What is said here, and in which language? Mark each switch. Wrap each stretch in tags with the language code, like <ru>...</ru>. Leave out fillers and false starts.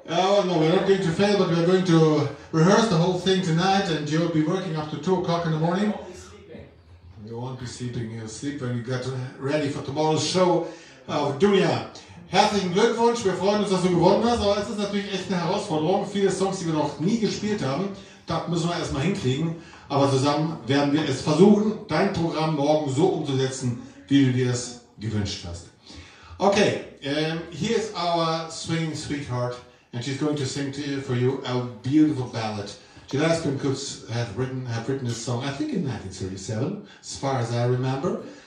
<en>Oh, no, we're not going to fail, but we're going to rehearse the whole thing tonight, and you'll be working up to 2 o'clock in the morning. You won't be sleeping. You'll sleep when you get ready for tomorrow's show of Dunja.</en> <de>Herzlichen Glückwunsch, wir freuen uns, dass du gewonnen hast. Aber es ist natürlich echt eine Herausforderung. Viele Songs, die wir noch nie gespielt haben, das müssen wir erstmal hinkriegen. Aber zusammen werden wir es versuchen, dein Programm morgen so umzusetzen, wie du dir das gewünscht hast.</de> <en>Okay, here's our swinging sweetheart, and she's going to sing to you, for you, a beautiful ballad. Jill Aspin Coutts have written this song, I think in 1937, as far as I remember.</en>